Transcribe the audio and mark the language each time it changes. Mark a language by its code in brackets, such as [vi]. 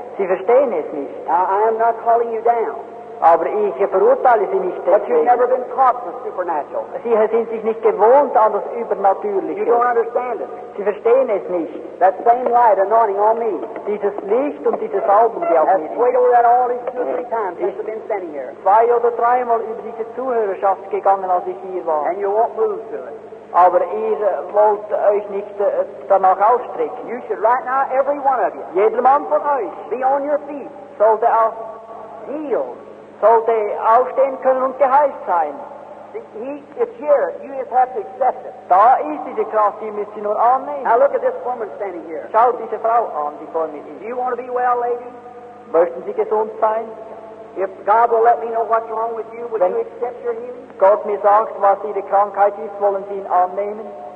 [de] Sie verstehen es nicht. [en] I am not calling you down. [de] Aber ich verurteile Sie nicht deswegen. [en] But you've never been taught the supernatural. [de] Sie sind sich nicht gewohnt an das Übernatürliche. [en] You don't understand it. [de] Sie verstehen es nicht. [en] That same light anointing on me. [de] Dieses Licht und dieses Salben, die auf mir ist. [en] Wait at all these two or three times since I've been standing here. [de] Zwei oder dreimal über diese Zuhörerschaft gegangen, als ich hier war. [en] And you won't move to it. [de] Aber ihr wollt euch nicht danach ausstrecken. [en] You should right now, every one of you. [de] Jeder Mann von euch. [en] Be on your feet. [de] Sollte auf. [en] Heal. [de] Sollte aufstehen können und geheilt sein. [en] He is here. You just have to accept it. [de] Da ist diese Kraft, die müsst ihr nur annehmen. [en] Now look at this woman standing here. [de] Schaut diese Frau an, die vor mir ist. [en] Do you want to be well, lady? [de] Möchten Sie gesund sein? [en] If God will let me know what's wrong with you, will you accept your healing? [de] Gott mir sagt, was Ihre Krankheit ist, wollen Sie ihn annehmen?